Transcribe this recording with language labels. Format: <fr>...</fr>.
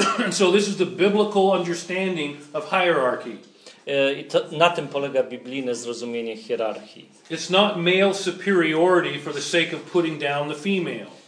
<en>So this is the biblical understanding of hierarchy.</en> <pl>I to, na tym polega biblijne zrozumienie hierarchii.</pl> <en>It's not male superiority for the sake of putting down the female.</en>